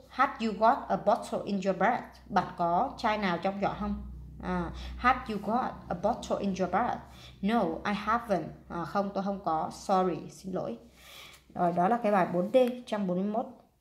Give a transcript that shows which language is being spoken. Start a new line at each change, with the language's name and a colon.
English: Have you got a bottle in your bag?
Vietnamese: Bạn có chai nào trong giỏ không?
English: Have you got a bottle in your bag? No, I haven't.
Vietnamese: Không, tôi không có.
English: Sorry,
Vietnamese: xin lỗi. Rồi, đó là cái bài 4D, 141.